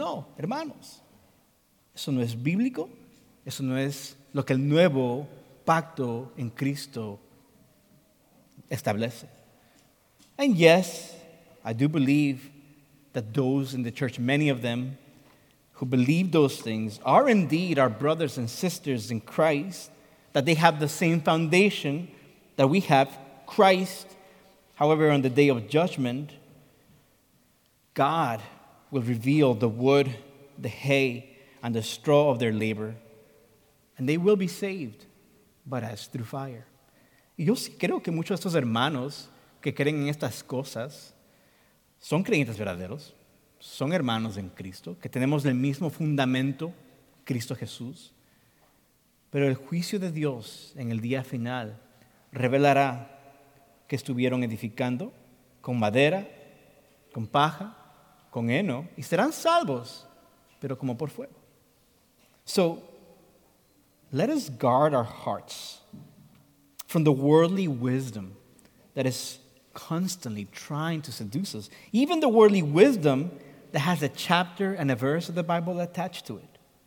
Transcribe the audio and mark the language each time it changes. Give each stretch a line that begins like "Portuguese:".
Spanish: No, hermanos, eso no es bíblico, eso no es lo que el nuevo pacto en Cristo establece.
English: And yes, I do believe that those in the church, many of them who believe those things, are indeed our brothers and sisters in Christ, that they have the same foundation that we have, Christ. However, on the day of judgment, God will reveal the wood, the hay, and the straw of their labor, and they will be saved, but as through fire.
Spanish: Y yo sí creo que muchos de estos hermanos que creen en estas cosas son creyentes verdaderos, son hermanos en Cristo, que tenemos el mismo fundamento, Cristo Jesús. Pero el juicio de Dios en el día final revelará que estuvieron edificando con madera, con paja, con heno, y serán salvos, pero como por fuego.
English: So, let us guard our hearts from the worldly wisdom that is constantly trying to seduce us. Even the worldly wisdom that has a chapter and a verse of the Bible attached to it.